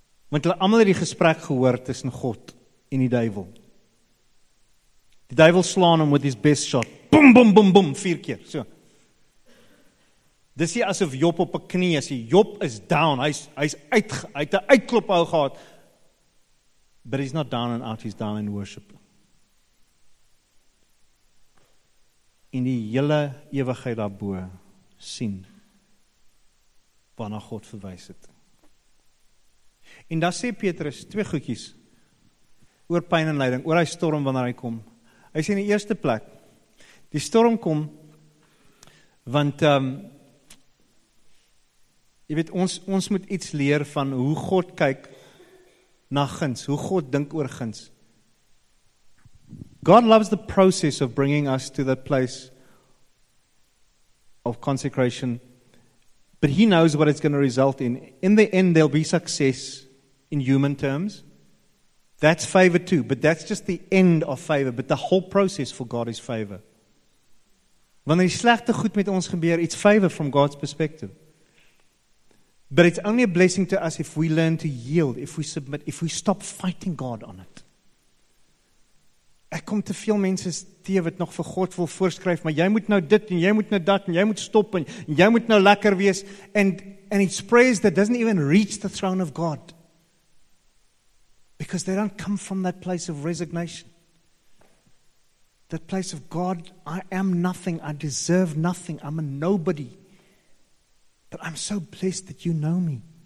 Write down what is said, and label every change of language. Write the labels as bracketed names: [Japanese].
[Afrikaans] Want hulle almal het die gesprek gehoor tussen God en die duivel. Die duivel slaan hom met [English] his best shot. [Afrikaans] Boom, boom, boom, boom, 4 keer, so. Dis hier asof Job op 'n knie is. Job is down, hy het 'n uitklop hou gehad. [English] But he's not down and out, he's down in worship. [Afrikaans] In die hele ewigheid daarbo sien waarna God verwys het. En dan sê Petrus 2 goedjies oor pyn en lyding, oor hy storm wanneer hy kom. Hy sê in die eerste plek, die storm kom, want jy weet, ons moet iets leer van hoe God kyk na guns, hoe God dink oor guns. [English] God loves the process of bringing us to that place of consecration, but he knows what it's going to result in. In the end, there'll be success in human terms. That's favor too, but that's just the end of favor, but the whole process for God is favor. [Afrikaans] Wanneer die slegte goed met ons gebeur, [English] it's favor from God's perspective. But it's only a blessing to us if we learn to yield, if we submit, if we stop fighting God on it. [Afrikaans] Ek kom te veel mense teë wat nog vir God wil voorskryf, maar jy moet nou dit en jy moet nou dat en jy moet stop en jy moet nou lekker wees. [English] And it's praise that doesn't even reach the throne of God. Because they don't come from that place of resignation. That place of God, I am nothing, I deserve nothing, I'm a nobody. But I'm so blessed that you know me.